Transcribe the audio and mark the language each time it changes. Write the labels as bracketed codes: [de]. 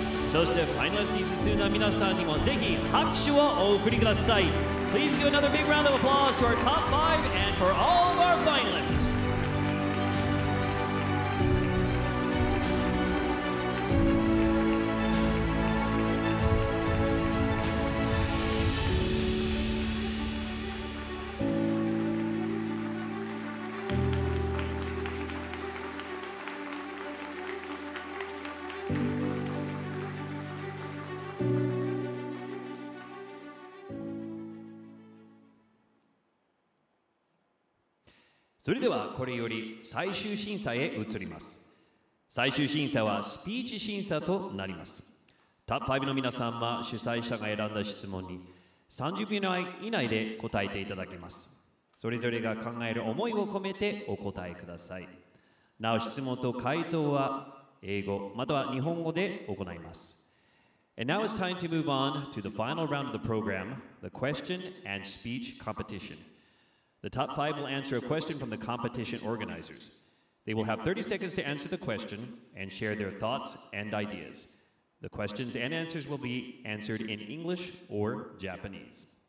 [ja] そしてファイナリストに進んだ皆さんにもぜひ拍手をお送りください。 [en] Please give another big round of applause to our top 5 and for all of our finalists. [ja] それではこれより最終審査へ移ります。最終審査はスピーチ審査となります。トップ5の皆さんは主催者が選んだ質問に30秒以内で答えていただけます。それぞれが考える思いを込めてお答えください。なお質問と回答は英語または日本語で行います。 [en] And now it's time to move on to the final round of the program, the question and speech competitionThe top five will answer a question from the competition organizers. They will have 30 seconds to answer the question and share their thoughts and ideas. The questions and answers will be answered in English or Japanese.